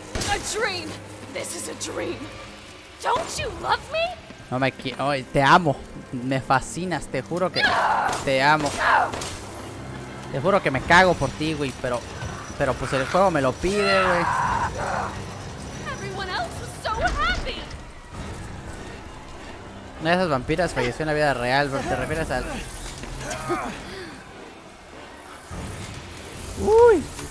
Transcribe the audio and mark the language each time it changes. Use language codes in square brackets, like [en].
[en] A dream. This is a dream. Don't you love me? [es] No me quiero. Oh, te amo. Me fascinas. Te juro que te amo. Te juro que me cago por ti, güey. Pero pues el juego me lo pide, güey. [en] Everyone else was so happy. [es] Una de esas vampiras falleció en la vida real, pero te refieres al. Uy.